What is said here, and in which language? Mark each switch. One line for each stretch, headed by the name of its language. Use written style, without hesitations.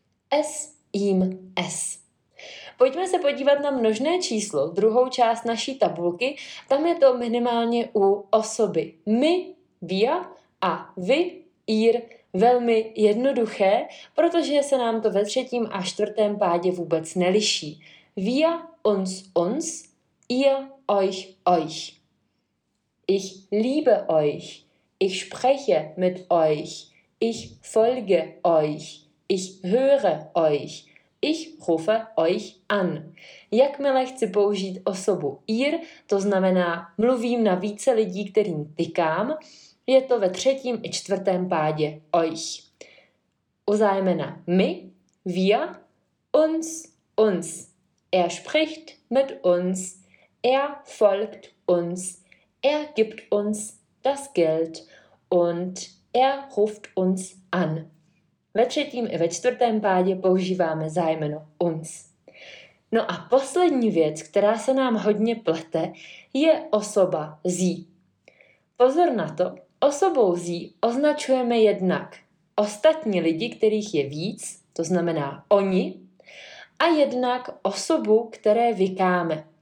Czech: S, im, s. Pojďme se podívat na množné číslo, druhou část naší tabulky. Tam je to minimálně u osoby my, wir, a vy, ihr, velmi jednoduché, protože se nám to ve třetím a čtvrtém pádě vůbec neliší.
German: Wir, uns, uns, ihr, euch, euch. Ich liebe euch, ich spreche mit euch, ich folge euch, ich höre euch, ich rufe euch an.
Czech: Jakmile chci použít osobu ihr, to znamená mluvím na více lidí, kterým tykám, je to ve třetím i čtvrtém pádě euch. U zájmena my,
German: wir, uns, uns. Er spricht mit uns, er folgt uns. Er gibt uns das Geld und er ruft uns an.
Czech: Ve třetím i ve čtvrtém pádě používáme zájmeno uns. No a poslední věc, která se nám hodně plete, je osoba sie. Pozor na to, osobou sie označujeme jednak ostatní lidi, kterých je víc, to znamená oni, a jednak osobu, které vykáme.